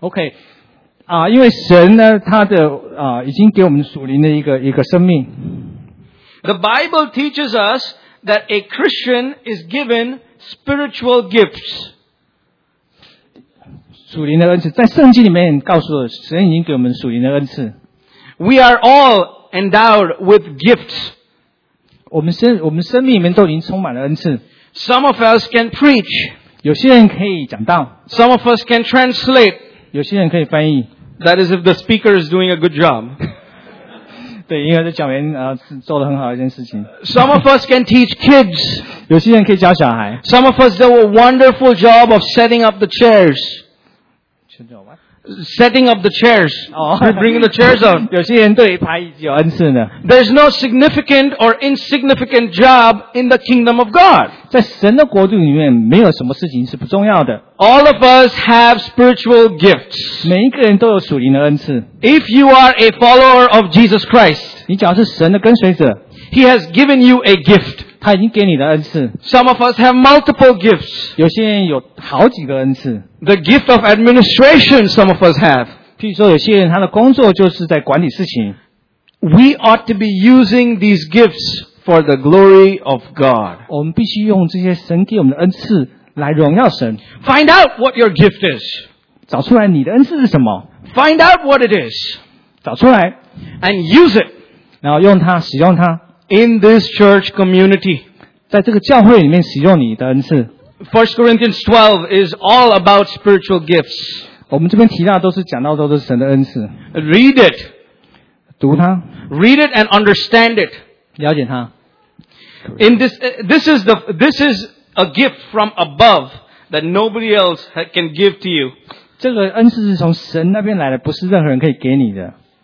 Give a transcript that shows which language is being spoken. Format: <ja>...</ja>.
<en>Okay.</en> <zh>因为神呢，他的已经给我们属灵的一个生命。</zh> <en>The Bible teaches us that a Christian is given spiritual gifts.</en> <zh>属灵的恩赐在圣经里面告诉了神已经给我们属灵的恩赐。</zh> <en>We are all endowed with gifts.</en> <zh>我们生命里面都已经充满了恩赐。</zh> <en>Some of us can preach.</en> <zh>有些人可以讲道。</zh> <en>Some of us can translate.</en> <zh>有些人可以翻译。</zh> <en>That is if the speaker is doing a good job.</en> <zh>对，因为这讲员做了很好的一件事情。</zh> <en>Some of us can teach kids.</en> <zh>有些人可以教小孩。</zh> <en>Some of us do a wonderful job of setting up the chairs. setting up the chairs, bringing the chairs out.</en> <zh>有些人对排椅子有恩赐呢。</zh> <en>There's no significant or insignificant job in the kingdom of God.</en> <zh>在神的国度里面，没有什么事情是不重要的。</zh> <en>All of us have spiritual gifts.</en> <zh>每一个人都有属灵的恩赐。</zh> <en>If you are a follower of Jesus Christ,</en> <zh>你假如是神的跟随者。</zh> <en>He has given you a gift.</en> <zh>他已经给你的恩赐。</zh> <en>Some of us have multiple gifts.</en> <zh>有些人有好几个恩赐。</zh> <en>The gift of administration some of us have.</en> <zh>譬如说有些人他的工作就是在管理事情。</zh> <en>We ought to be using these gifts for the glory of God.</en> <zh>我们必须用这些神给我们的恩赐来荣耀神。</zh> <en>Find out what your gift is.</en> <zh>找出来你的恩赐是什么。</zh> <en>Find out what it is.</en> <zh>找出来。</zh> <en>And use it.</en> <zh>然后用它，使用它。</zh> <en>In this church community.</en> <zh>在这个教会里面使用你的恩赐。</zh> <en>1 Corinthians 12 is all about spiritual gifts.</en> <zh>我们这边提到都是讲到都是神的恩赐。</zh> <en>Read it.</en> <zh>读它。</zh> <en>Read it and understand it.</en> <zh>了解它。</zh> <en>In this is a gift from above that nobody else can give to you.</en> <zh>这个恩赐是从神那边来的，不是任何人可以给你的。</zh>